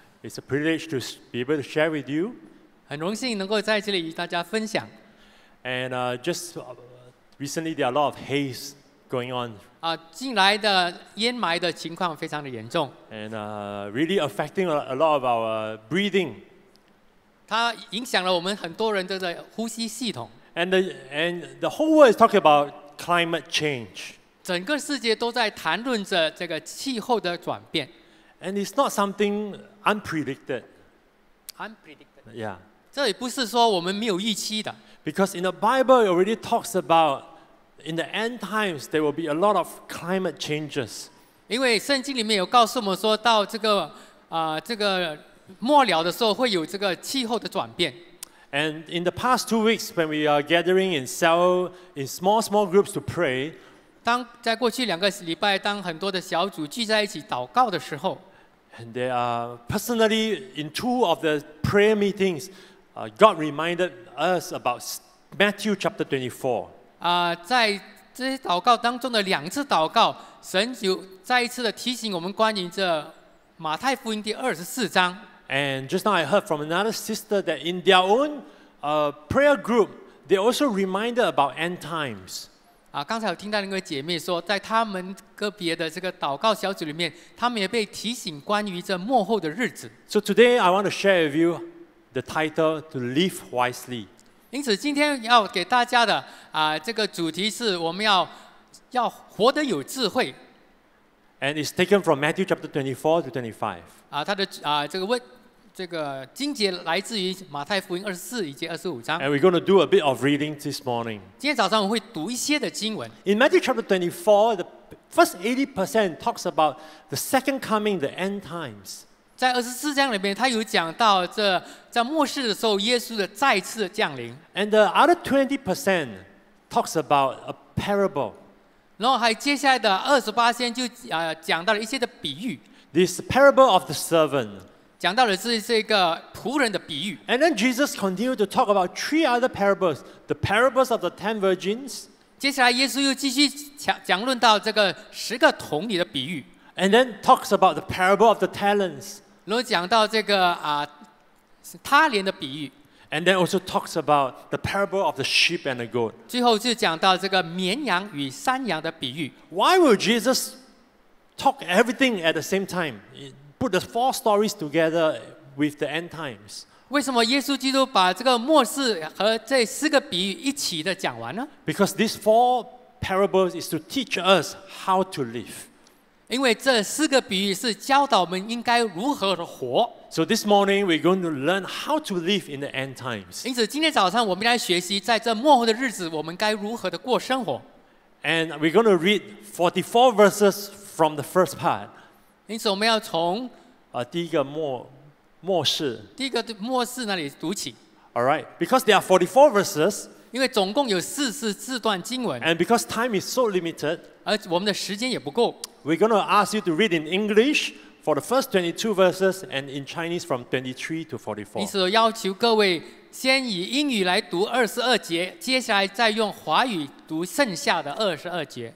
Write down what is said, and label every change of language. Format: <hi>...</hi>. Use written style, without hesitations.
<en>It's a privilege to be able to share with you.</en> <zh>很荣幸能够在这里与大家分享。</zh> <en>And recently there are a lot of haze going on.</en> <zh>近来的烟霾的情况非常的严重。</zh> <en>And really affecting a lot of our breathing.</en> <zh>它影响了我们很多人的呼吸系统。</zh> <en>And the whole world is talking about climate change.</en> <zh>整个世界都在谈论着这个气候的转变。</zh> <en>And it's not something unpredicted. Unpredicted. Yeah.</en> <zh>这也不是说我们没有预期的。</zh> <en>Because in the Bible, it already talks about in the end times, there will be a lot of climate changes.</en> <zh>因为圣经里面有告诉我们说到这个末了的时候会有这个气候的转变。</zh> <en>And in the past 2 weeks, when we are gathering in cell, in small groups to pray,</en> <zh>当在过去两个礼拜，当很多的小组聚在一起祷告的时候</zh> <en>，and they are personally in two of the prayer meetings, God reminded us about Matthew chapter 24.</en> <zh>在这些祷告当中的两次祷告，神就再一次的提醒我们关于这马太福音第二十四章。</zh> <en>And just now I heard from another sister that in their own prayer group, they also reminded about end times.</en> <zh>刚才我听到一位姐妹说，在他们个别的这个祷告小组里面，他们也被提醒关于这末后的日子。</zh> <en>So today I want to share with you the title to live wisely.</en> <zh>因此，今天要给大家的这个主题是我们要活得有智慧。</zh> <en>And it's taken from Matthew chapter 24 to 25.</en> <zh>它的这个经节来自于马太福音二十四以及二十五章。</zh> <en>And we're going to do a bit of reading this morning.</en> <zh>今天早上我会读一些的经文。</zh> <en>In Matthew chapter 24, the first 80% talks about the second coming, the end times.</en> <zh>在二十四章里面，他有讲到这在末世的时候，耶稣的再次降临。</zh> <en>And the other 20% talks about a parable.</en> <zh>然后还接下来的28%就讲到了一些的比喻。</zh> <en>This parable of the servant.</en> <zh>讲到的是这个仆人的比喻。</zh> <en>And then Jesus continued to talk about three other parables, the parables of the 10 virgins.</en> <zh>接下来耶稣又继续讲论到这个十个童女的比喻。</zh> <en>And then talks about the parable of the talents.</en> <zh>然后讲到这个他连的比喻。</zh> <en>And then also talks about the parable of the sheep and the goat.</en> <zh>最后就讲到这个绵羊与山羊的比喻。</zh> <en>Why will Jesus talk everything at the same time? Put the four stories together with the end times.</en> <zh>为什么耶稣基督把这个末世和这四个比喻一起的讲完呢？</zh> <en>Because these four parables is to teach us how to live.</en> <zh>因为这四个比喻是教导我们应该如何的活。</zh> <en>So this morning we're going to learn how to live in the end times.</en> <zh>因此今天早上我们来学习在这末后的日子我们该如何的过生活。</zh> <en>And we're going to read 44 verses from the first part.</en> <zh>因此我们要从第一个末世第一个末世那里读起。</zh> <en>All right, because there are 44 verses,</en> <zh>因为总共有44段经文。</zh> <en>And because time is so limited,</en> <zh>而我们的时间也不够。</zh> <en>We're going to ask you to read in English for the first 22 verses and in Chinese from 23 to 44.</en> <zh>因此我要求各位先以英语来读22节，接下来再用华语读剩下的22节。</zh>